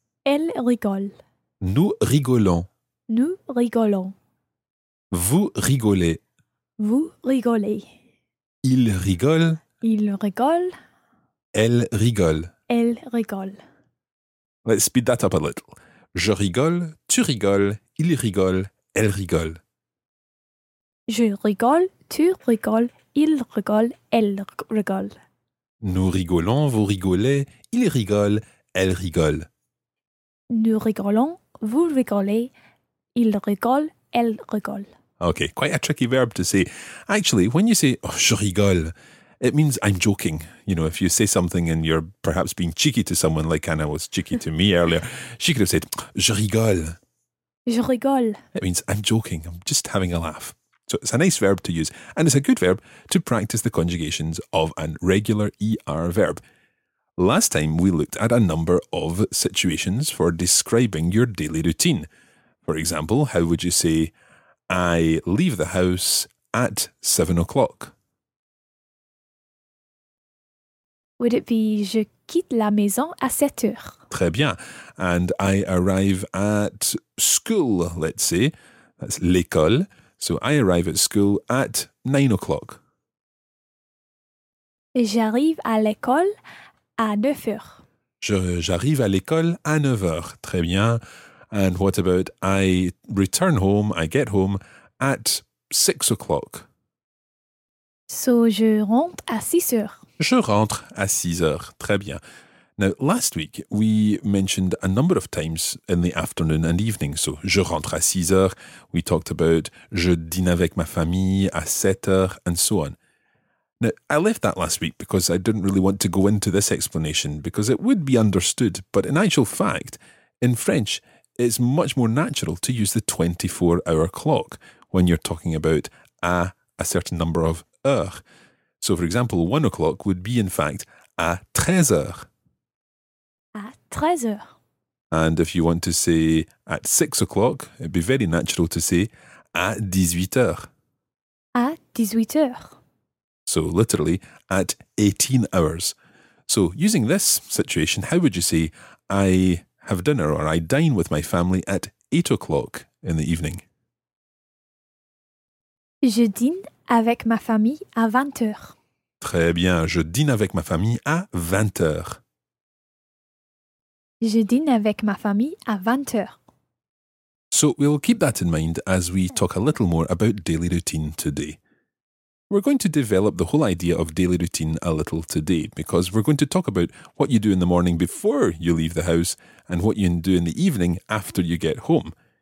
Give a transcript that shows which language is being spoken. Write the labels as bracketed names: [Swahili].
[French] Elle rigole. Nous rigolons. Nous rigolons. Vous rigolez. Vous rigolez. Il rigole. Il rigole. Elle rigole. Elle rigole. [English] Let's speed that up a little. [French] Je rigole, tu rigoles, il rigole, elle rigole. Je rigole, tu rigoles, il rigole, elle rigole. Nous rigolons, vous rigolez, il rigole, elle rigole. Nous rigolons, vous rigolez, il rigole, elle rigole. [English] Okay, quite a tricky verb to say. Actually, when you say, oh, [French] je rigole, [English] it means I'm joking. You know, if you say something and you're perhaps being cheeky to someone, like Anna was cheeky to me earlier, she could have said, [French] je rigole. Je rigole. [English] It means I'm joking, I'm just having a laugh. So it's a nice verb to use, and it's a good verb to practice the conjugations of a regular ER verb. Last time, we looked at a number of situations for describing your daily routine. For example, how would you say, I leave the house at 7 o'clock. Would it be [French] je quitte la maison à 7 heures? Très bien. [English] And I arrive at school, let's say. That's l'école. So I arrive at school at 9 o'clock. [French] J'arrive à l'école à 9 heures. J'arrive à l'école à 9 heures. Très bien. [English] And what about I return home, I get home at 6 o'clock? [French] So je rentre à 6 heures. Je rentre à 6 heures. Très bien. [English] Now, last week, we mentioned a number of times in the afternoon and evening. [French] So je rentre à 6 heures. [English] We talked about [French] je dîne avec ma famille à 7 heures [English] and so on. Now, I left that last week because I didn't really want to go into this explanation because it would be understood. But in actual fact, in French, it's much more natural to use the 24-hour clock when you're talking about a certain number of heures. So, for example, 1 o'clock would be, in fact, [French] à 13 heures. À 13 heures. [English] And if you want to say at 6 o'clock, it'd be very natural to say [French] à 18 heures. À 18 heures. [English] So, literally, at 18 hours. So, using this situation, how would you say I have dinner or I dine with my family at 8 o'clock in the evening? [French] Je dîne avec ma famille à 20 heures. Très bien, je dîne avec ma famille à 20 heures. Je dîne avec ma famille à 20 heures. [English] So we'll keep that in mind as we talk a little more about daily routine today. We're going to develop the whole idea of daily routine a little today because we're going to talk about what you do in the morning before you leave the house and what you do in the evening after you get home.